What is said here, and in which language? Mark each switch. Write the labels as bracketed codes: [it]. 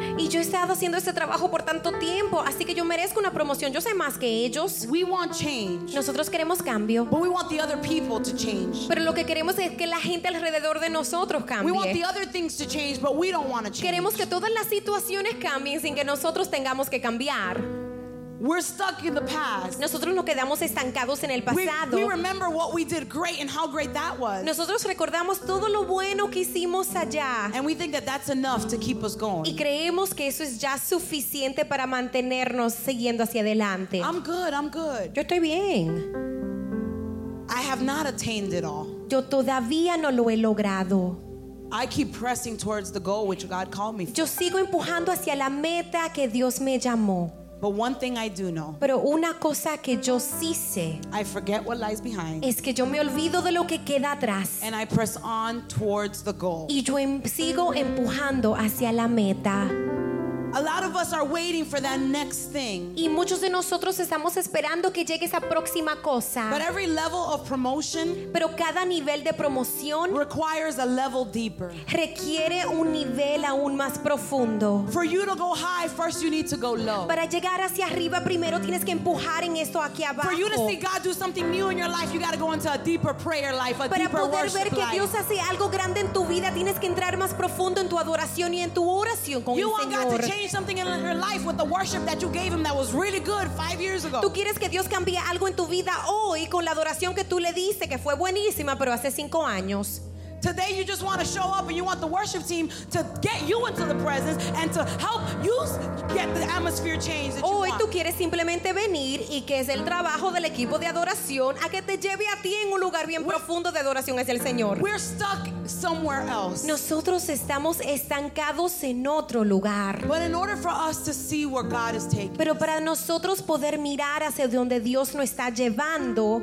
[es] Y yo he estado haciendo este trabajo por tanto tiempo, así que yo merezco una promoción. Yo sé más que ellos. [en] We want change. [es] Nosotros queremos cambio. [en] But we want the other people to change. [es] Pero lo que queremos es que la gente alrededor de nosotros cambie. [en] We want the other things to change, but we don't want to change. [es] Queremos que todas las situaciones cambien sin que nosotros tengamos que cambiar. [en] We're stuck in the past. [es] Nosotros nos quedamos estancados en el pasado. [en] We remember what we did great and how great that was. [es] Nosotros recordamos todo lo bueno que hicimos allá. [en] And we think that that's enough to keep us going. [es] Y creemos que eso es ya suficiente para mantenernos siguiendo hacia adelante. [en] I'm good, I'm good. [es] Yo estoy bien. [en] I have not attained it all. [es] Yo todavía no lo he logrado. [en] I keep pressing towards the goal which God called me for. [es] Yo sigo empujando hacia la meta que Dios me llamó. [en] But one thing I do know. [es] Pero una cosa que yo sí sé. [en] I forget what lies behind. [es] Es que yo me olvido de lo que queda atrás. [en] And I press on towards the goal. [es] Y yo sigo empujando hacia la meta. [en] A lot of us are waiting for that next thing. [es] Y muchos de nosotros estamos esperando que llegue esa próxima cosa. [en] But every level of promotion, [es] pero cada nivel de promoción, [en] requires a level deeper. [es] Requiere un nivel aún más profundo. [en] For you to go high, first you need to go low. [es] Para llegar hacia arriba, primero tienes que empujar en esto aquí abajo. [en] For you to see God do something new in your life, you got to go into a deeper prayer life, a deeper worship life. [es] Para poder ver que Dios hace algo grande en tu vida, tienes que entrar más profundo en tu adoración y en tu oración con el Señor. [en] Change something in your life with the worship that you gave him that was really good 5 years ago. [es] Tú quieres que Dios cambie algo en tu vida hoy con la adoración que tú le diste que fue buenísima pero hace 5 años. [en] Today you just want to show up and you want the worship team to get you into the presence and to help you get the atmosphere changed that you [es] hoy [en] want. [es] Tú quieres simplemente venir y que es el trabajo del equipo de adoración a que te lleve a ti en un lugar bien profundo de adoración hacia el Señor. [en] We're stuck somewhere else. [es] Nosotros estamos estancados en otro lugar. [en] But in order for us to see where God is taking us. [es] Pero para nosotros poder mirar hacia donde Dios nos está llevando,